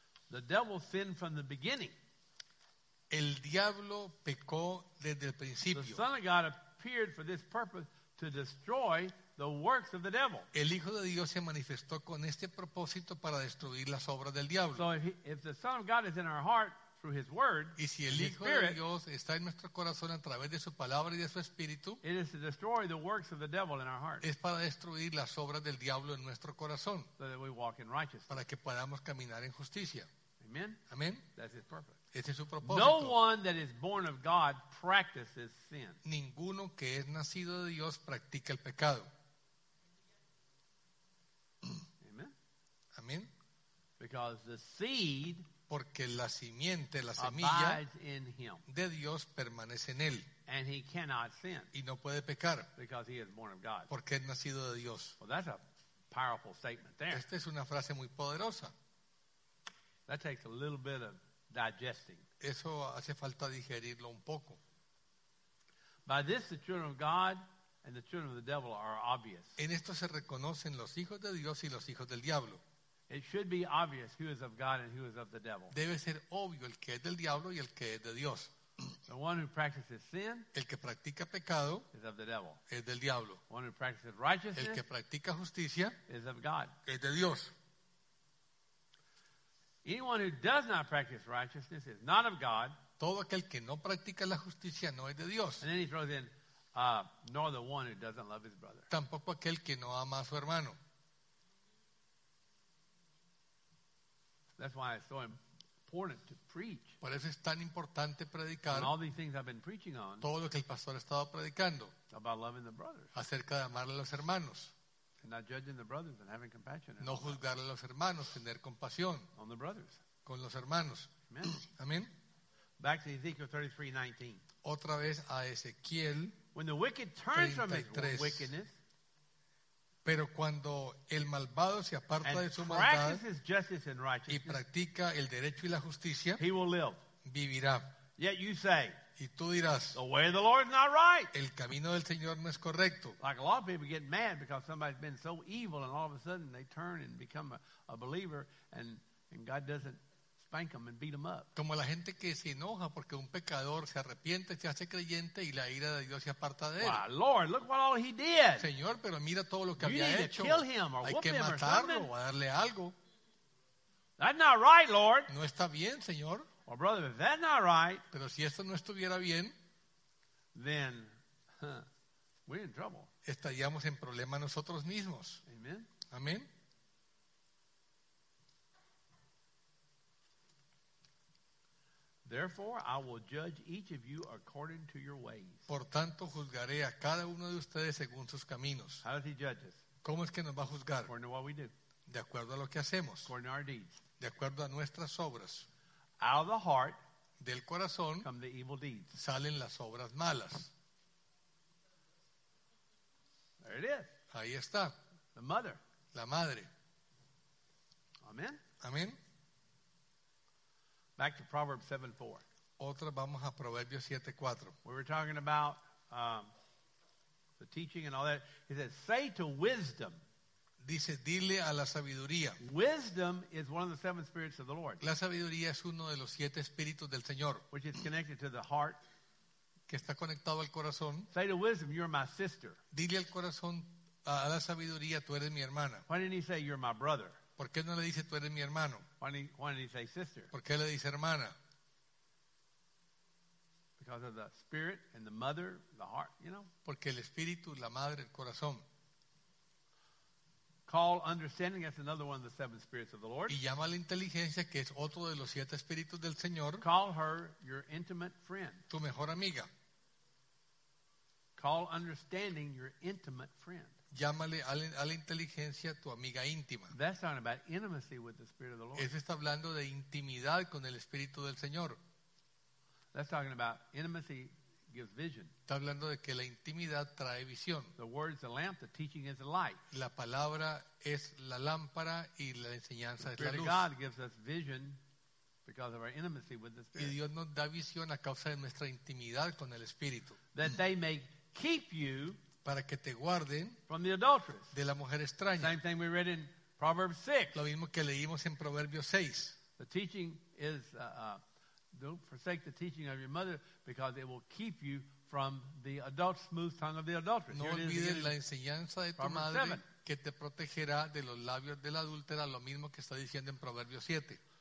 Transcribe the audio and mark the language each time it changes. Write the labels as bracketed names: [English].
[English] The devil sinned from the beginning. [Spanish] El diablo pecó desde el principio. [English] The Son of God appeared for this purpose to destroy the works of the devil. [Spanish] El Hijo de Dios se manifestó con este propósito para destruir las obras del diablo. [English] So if the Son of God is in our heart, through his word, [Spanish] y si el Hijo de Dios está en nuestro corazón a través de su palabra y de su espíritu, [English] it is to destroy the works of the devil in our heart. [Spanish] Es para destruir las obras del diablo en nuestro corazón. [English] So that we walk in righteousness. [Spanish] Para que podamos caminar en justicia. [English] Amen. [Spanish] Amen. [English] That's his purpose. [Spanish] Ese es su propósito. [English] No one that is born of God practices sin. [Spanish] Ninguno que es nacido de Dios practica el pecado. [English] Amen. [Spanish] Amen. [English] Because the seed, [Spanish] porque la simiente, la semilla de Dios permanece en él. [English] And he cannot sin. [Spanish] Y no puede pecar. [English] Because he is born of God. [Spanish] Porque es nacido de Dios. [English] Well, that's a powerful statement there. [Spanish] Esta es una frase muy poderosa. [English] That takes a little bit of digesting. [Spanish] Eso hace falta digerirlo un poco. [English] By this, the children of God and the children of the devil are obvious. [Spanish] En esto se reconocen los hijos de Dios y los hijos del diablo. [English] It should be obvious who is of God and who is of the devil. [Spanish] Debe ser obvio el que es del diablo y el que es de Dios. [English] The one who practices sin, [Spanish] el que practica pecado, [English] is of the devil. [Spanish] Es del diablo. [English] The one who practices righteousness, [Spanish] el que practica justicia, [English] is of God. [Spanish] Es de Dios. [English] Anyone who does not practice righteousness is not of God. [Spanish] Todo aquel que no practica la justicia no es de Dios. [English] And then he throws in, nor the one who doesn't love his brother. [Spanish] Tampoco aquel que no ama a su hermano. [English] That's why it's so important to preach. [Spanish] Por eso es tan importante predicar. [English] And all these things I've been preaching on. [Spanish] Todo lo que el pastor ha estado predicando. [English] About loving the brothers. [Spanish] Acerca de amarle a los hermanos. [English] And not judging the brothers and having compassion. [Spanish] No juzgar a los hermanos, tener compasión. [English] On the brothers. [Spanish] Con los hermanos. [English] Amen. [Spanish] Amen. [English] Back to Ezekiel 33:19. [Spanish] Otra vez a Ezequiel. [English] When the wicked turns from his wickedness. [Spanish] Pero cuando el malvado se aparta [English] and [Spanish] de su maldad [English] and [Spanish] y practica el derecho y la justicia, [English] he will live. [Spanish] Vivirá. [English] Yet you say, [Spanish] y tú dirás, [English] the way of the Lord is not right. [Spanish] El camino del Señor no es correcto. [English] Like a lot of people get mad because somebody's been so evil and all of a sudden they turn and become a believer and God doesn't spank them and beat them up. [Spanish] Como la gente que se enoja porque un pecador se arrepiente, se hace creyente y la ira de Dios se aparta de él. [English] Wow, Lord, look what all he did. [Spanish] Señor, pero mira todo lo que [English] you [Spanish] había [English] need [Spanish] hecho. [English] To kill him or [Spanish] hay que matarlo [English] or [Spanish] o darle algo. [English] That's not right, Lord. [Spanish] No está bien, Señor. [English] Well, brother, if that's not right, [Spanish] pero si esto no estuviera bien, [English] then, we're in trouble. [Spanish] Estaríamos en problema nosotros mismos. [English] Amen. [Spanish] Amén. [English] Therefore, I will judge each of you according to your ways. [Spanish] Por tanto, juzgaré a cada uno de ustedes según sus caminos. [English] How does he judge us? [Spanish] ¿Cómo es que nos va a juzgar? [English] According to what we do. [Spanish] De acuerdo a lo que hacemos. [English] According to our deeds. [Spanish] De acuerdo a nuestras obras. [English] Out of the heart, [Spanish] del corazón, [English] come the evil deeds. [Spanish] Salen las obras malas. [English] There it is. [Spanish] Ahí está. [English] The mother. [Spanish] La madre. [English] Amen. [Spanish] Amen. [English] Back to Proverbs 7:4. [Spanish] Otra vamos a Proverbios 7:4. [English] We were talking about the teaching and all that. He says, say to wisdom. [Spanish] Dice, dile a la sabiduría. [English] Wisdom is one of the seven spirits of the Lord. [Spanish] La sabiduría es uno de los siete espíritus del Señor. [English] Which is connected to the heart. [Spanish] Que está conectado al corazón. [English] Say to wisdom, you're my sister. [Spanish] Dile al corazón, a la sabiduría, tú eres mi hermana. [English] Why didn't he say, you're my brother? [Spanish] ¿Por qué no le dice, tú eres mi hermano? [English] Why didn't he say sister? [Spanish] ¿Por qué le dice hermana? [English] Because of the spirit and the mother, the heart, you know? [Spanish] Porque el espíritu, la madre, el corazón. [English] Call understanding, that's another one of the seven spirits of the Lord. [Spanish] Y llama la inteligencia, que es otro de los siete espíritus del Señor. [English] Call her your intimate friend. [Spanish] Tu mejor amiga. [English] Call understanding your intimate friend. [Spanish] Llámale a la inteligencia tu amiga íntima. [English] That's talking about intimacy with the Spirit of the Lord. [Spanish] Eso está hablando de intimidad con el Espíritu del Señor. [English] That's talking about intimacy gives vision. [Spanish] Está hablando de que la intimidad trae visión. [English] The word is the lamp, the teaching is the light. [Spanish] La palabra es la lámpara y la enseñanza es la luz. [English] The Spirit of God gives us vision because of our intimacy with the Spirit. [Spanish] Y Dios nos da visión a causa de nuestra intimidad con el Espíritu. [English] That they may keep you [Spanish] para que te guarden [English] from the adulteress. [Spanish] De la mujer extraña. [English] Same thing we read in Proverbs 6. [Spanish] Lo mismo que leímos en Proverbios 6. [English] The teaching is don't forsake the teaching of your mother because it will keep you from the adult smooth tongue of the adulteress. [Spanish] No olvides la enseñanza de tu madre que te protegerá de los labios de la adúltera, lo mismo que está diciendo en Proverbios 7.